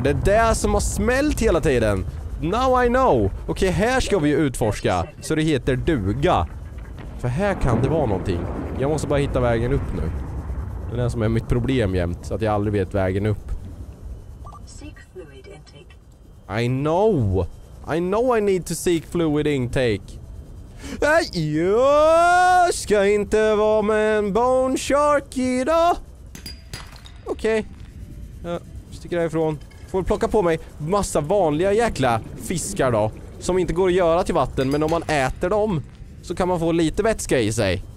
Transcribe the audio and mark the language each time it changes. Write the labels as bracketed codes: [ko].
[sv] Det är det som har smält hela tiden. [en] Now I know! [sv] Okej, här ska vi ju utforska. Så det heter duga. För här kan det vara någonting. Jag måste bara hitta vägen upp nu. Det är det som är mitt problem jämt, så att jag aldrig vet vägen upp. [en] Seek fluid intake. I know I need to seek fluid intake. [sv] Jag ska inte vara med en bone shark idag. Okej. Okay. Jag sticker därifrån. Får plocka på mig massa vanliga jäkla fiskar då. som inte går att göra till vatten, men om man äter dem så kan man få lite vätska i sig.